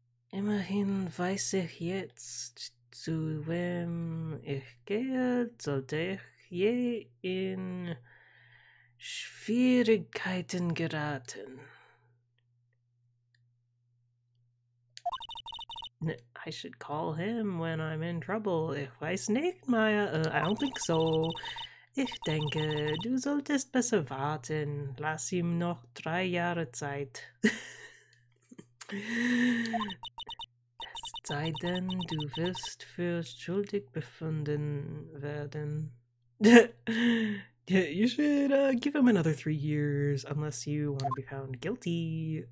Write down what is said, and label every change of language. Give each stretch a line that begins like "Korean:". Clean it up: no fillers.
German: Immerhin weiß ich jetzt, zu wem ich gehe, sollte ich je in Schwierigkeiten geraten.
English: I should call him when I'm in trouble.
German: Ich weiß nicht, Maya.
English: I don't think so.
German: Ich denke, du solltest besser warten. Lass ihm noch 3 Jahre Zeit. Es sei denn, du wirst für schuldig befunden werden.
English: Yeah, you should give him another 3 years, unless you want to be found guilty.